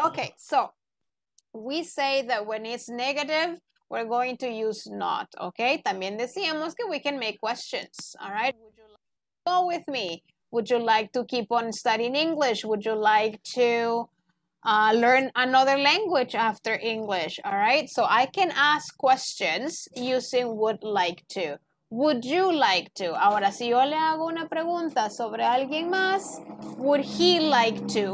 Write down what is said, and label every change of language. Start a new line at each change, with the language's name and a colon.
English: Okay, so, we say that when it's negative, we're going to use not, okay?
Spanish: También decíamos que
English: we can make questions, alright? Would you like to go with me? Would you like to keep on studying English? Would you like to learn another language after English? All right, so I can ask questions using would like to. Would you like to?
Spanish: Ahora, si yo le hago una pregunta sobre alguien más,
English: would he like to?